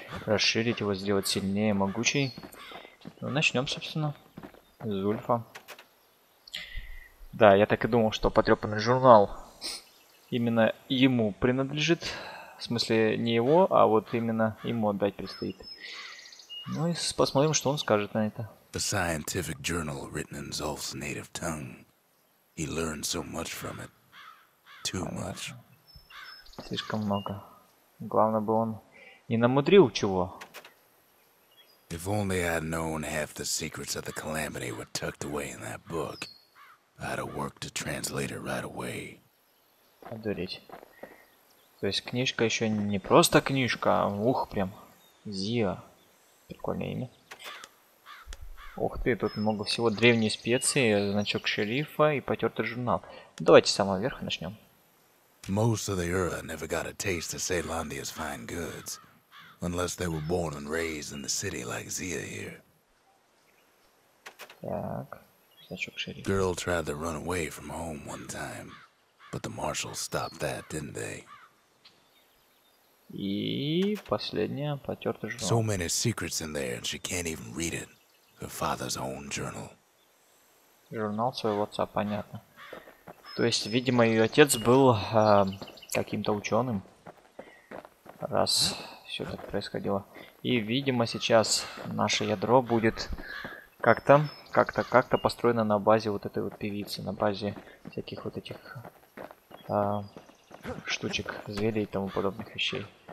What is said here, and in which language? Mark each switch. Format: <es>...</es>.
<ru>Расширить его, сделать сильнее, могучей. Ну, начнем, собственно, с Зульфа. Да, я так и думал, что потрепанный журнал... Именно ему принадлежит. В смысле, не его, а вот именно ему отдать предстоит. Ну и посмотрим, что он скажет на это.</ru> <en>The scientific journal written in Zolf's native tongue. He learned so much from it. Too much.</en> <ru>Слишком много. Главное бы он не намудрил чего.</ru> <en>If only I'd known half the secrets of the calamity were tucked away in that book, I'd have worked a translator right away.</en> <ru>Одурить. То есть книжка еще не просто книжка, а ух, прям. Зия. Прикольное имя. Ух ты, тут много всего. Древние специи, значок шерифа и потертый журнал. Давайте с самого верха начнем.</ru> <en>Most of the Ura never got a taste of Ceylandia's fine goods. Unless they were born and raised in the city like Zia here.</en> <ru>Так. значок шерифа.</ru> <en>Girl tried to run away from home one time, but the marshals stopped that, didn't they?</en> <ru>И последняя, потертый журнал.</ru> <en>So many secrets in there, and she can't even read it. Her father's own journal.</en> <ru>Журнал своего отца, понятно. То есть, видимо, ее отец был каким-то ученым, раз все так происходило. И, видимо, сейчас наше ядро будет как-то построено на базе вот этой вот певицы, на базе всяких вот этих штучек, зелий и тому подобных вещей.</ru>